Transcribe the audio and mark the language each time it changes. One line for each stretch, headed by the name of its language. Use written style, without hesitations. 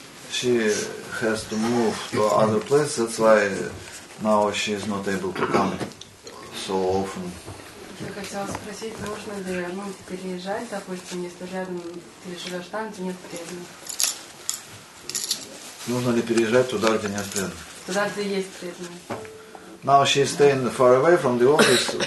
English: She has to move to other place, that's why now she is not able to come so often.
Russian: Я хотела спросить, нужно ли ну переезжать, допустим, если рядом ты живешь там, где нет преданных. Нужно ли переезжать туда, где нет преданных? Туда, где есть преданные.
English: Now she is staying far away from the office.